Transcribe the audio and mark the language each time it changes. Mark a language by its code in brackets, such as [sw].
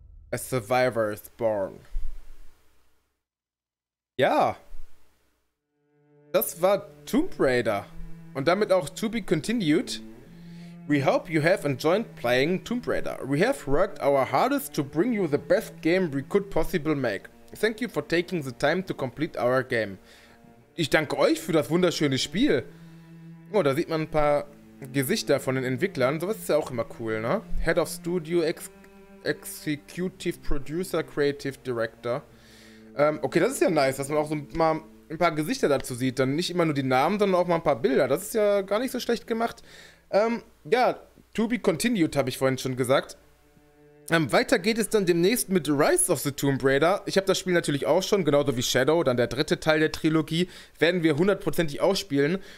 [en] A survivor is born. [de] Ja. Das war Tomb Raider. Und damit auch [en] to be continued. We hope you have enjoyed playing Tomb Raider. We have worked our hardest to bring you the best game we could possibly make. Thank you for taking the time to complete our game. [de] Ich danke euch für das wunderschöne Spiel. Oh, da sieht man ein paar Gesichter von den Entwicklern. Sowas ist ja auch immer cool, ne? [en] Head of Studio, Executive Producer, Creative Director. [de] Okay, das ist ja nice, dass man auch so mal ein paar Gesichter dazu sieht. Dann nicht immer nur die Namen, sondern auch mal ein paar Bilder. Das ist ja gar nicht so schlecht gemacht. Ja, [en] to be continued, [de] habe ich vorhin schon gesagt. Weiter geht es dann demnächst mit Rise of the Tomb Raider. Ich habe das Spiel natürlich auch schon, genauso wie Shadow, dann der dritte Teil der Trilogie, werden wir hundertprozentig auch spielen.